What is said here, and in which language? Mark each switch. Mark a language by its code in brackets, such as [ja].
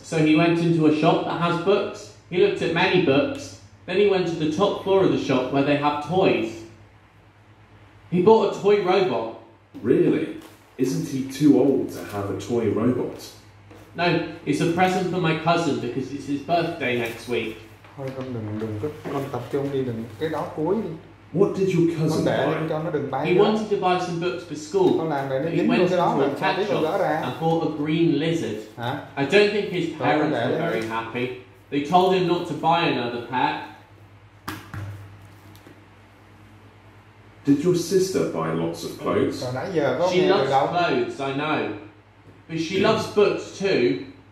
[en] So he went into a shop that has books. He looked at many books. Then he went to the top floor of the shop where they have toys. He bought a toy robot. Really? Isn't he too old to have a toy robot? No, it's a present for my cousin because it's his birthday next week. [vi] Thôi con đừng con tập trung đi đừng cái đó cuối đi. [en] What did your cousin [vi] Con để cho nó đừng bay. [en] He wanted to buy some books for school. [vi] Con làm để nó dính vô cái đó mà cho biết được rõ ràng. [en] And bought a green lizard. Hả? I don't think his parents were very happy. They told him not to buy another pet. Did your sister buy lots of clothes? She loves clothes, I know. But she loves books too.